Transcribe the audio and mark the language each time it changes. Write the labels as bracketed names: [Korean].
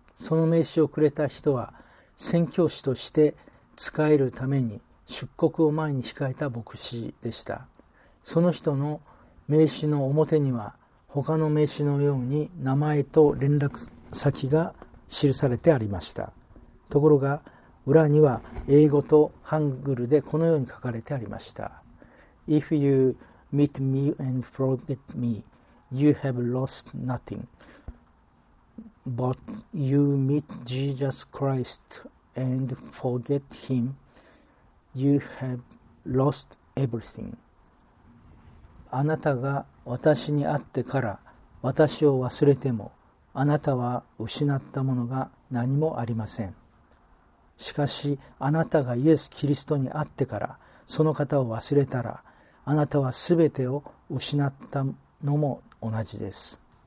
[Japanese] その名刺をくれた人は宣教師として使えるために出国を前に控えた牧師でした。その人の名刺の表には他の名刺のように名前と連絡先が記されてありました。ところが裏には英語とハングルでこのように書かれてありました。 [English] If you meet me and forget me, you have lost nothing. But you meet Jesus Christ and forget him, you have lost everything. [Japanese] あなたが私に会ってから私を忘れても、あなたは失ったものが何もありません。しかしあなたがイエス・キリストに会ってから、その方を忘れたら、あなたはすべてを失ったのも同じです。